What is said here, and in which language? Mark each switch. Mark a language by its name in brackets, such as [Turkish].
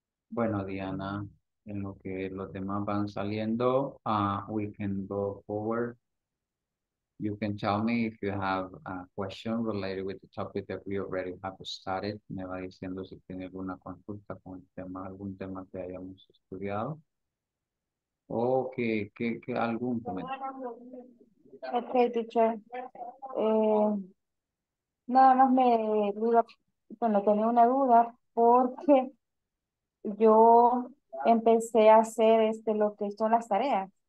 [Spanish] Bueno, Diana, en lo que los demás van saliendo, [English] we can go forward. You can tell me if you have a question related with the topic that we already have started. [Spanish] Me va diciendo si tiene alguna consulta con el tema, algún tema que hayamos estudiado. O que algún comentario. [English] Ok, teacher. [Spanish] Nada más me duda, bueno, tenía una duda porque yo empecé a hacer lo que son las tareas.